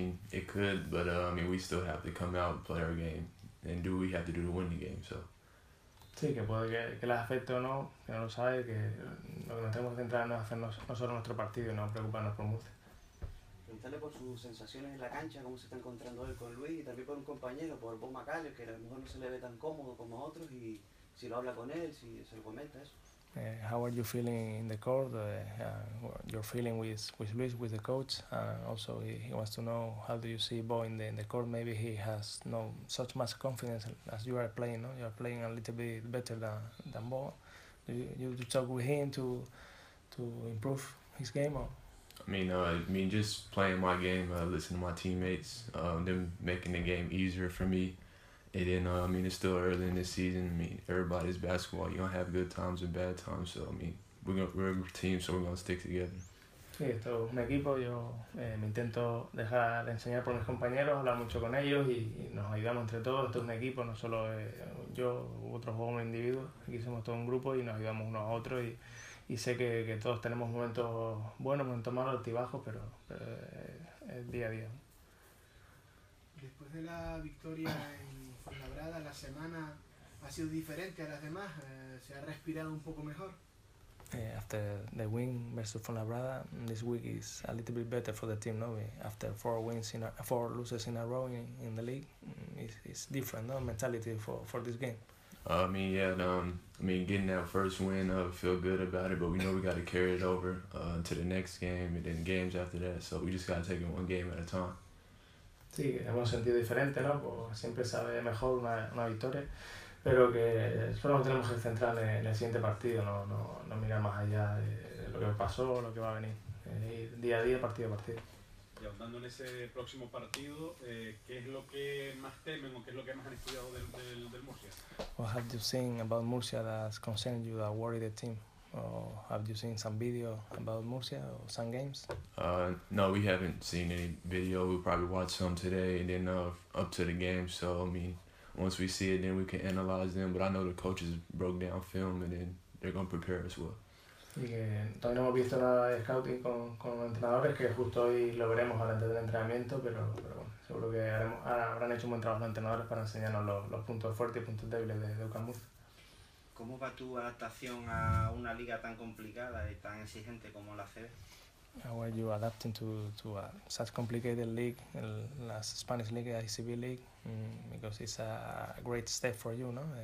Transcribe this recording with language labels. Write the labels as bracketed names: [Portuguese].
[English] It could, but we still have to come out and play our game, and do we have to do to win the game? So. [Spanish] Sí, que puede que les afecte o no, que no lo sabe, que lo que nos tenemos que centrar no es hacer nosotros nuestro partido, no preocuparnos por Murcia. Preguntarle por sus sensaciones en la cancha, cómo se está encontrando él con Luis y también por un compañero, por Bob McAllister, que a lo mejor no se le ve tan cómodo como otros y si lo habla con él, si se lo comenta eso. [English] How are you feeling in the court? Your feeling with Luis, with the coach? Also, he wants to know how do you see Bo in the court? Maybe he has no such much confidence as you are playing. No, you are playing a little bit better than Bo. Do you talk with him to improve his game or? I mean, just playing my game, listening to my teammates, them making the game easier for me. And then, it's still early in the season. I mean, everybody's basketball. You don't have good times and bad times. So, I mean, we're a team, so we're going to stick together. [Spanish] Sí, esto es un equipo. Yo me intento dejar de enseñar por mis compañeros, hablar mucho con ellos y nos ayudamos entre todos. Esto es un equipo, no solo yo u otros jóvenes individuos. Aquí somos todo un grupo y nos ayudamos unos a otros y sé que todos tenemos momentos buenos, momentos malos, altibajos, pero es día a día. Después de la victoria en Fuenlabrada, la semana ha sido diferente a las demás. Se ha respirado un poco mejor. [English] After the win versus Fuenlabrada, this week is a little bit better for the team, no? After four losses in a row in the league, it's different, no? Mentality for this game. Getting that first win, feel good about it, but we know we got to carry it over to the next game and then games after that. So we just got to take it one game at a time. [Spanish] Sí, hemos sentido diferente, ¿no? Pues siempre sabe mejor una victoria, pero que solo nos tenemos que centrar en el siguiente partido, no mirar más allá de lo que pasó, lo que va a venir, día a día, partido a partido. Y ahondando en ese próximo partido, ¿qué es lo que más temen o qué es lo que más han estudiado del Murcia? [English] What have you seen about Murcia that's concerned you, that worried the team? Or have you seen some video about Murcia or some games? No, we haven't seen any video. We'll probably watch some today and then up to the game. So, I mean, once we see it, then we can analyze them. But I know the coaches broke down film and then they're going to prepare as well. [Spanish] Y que todavía no hemos visto nada de scouting con los entrenadores, que justo hoy lo veremos antes del entrenamiento, pero bueno, seguro que habrán hecho un buen trabajo los entrenadores para enseñarnos los puntos fuertes y puntos débiles de UCAM Murcia. ¿Cómo va tu adaptación a una liga tan complicada y tan exigente como la ACB? [English] How are you adapting to a such complicated league, la Spanish League, ICB League? Because it's a great step for you, no?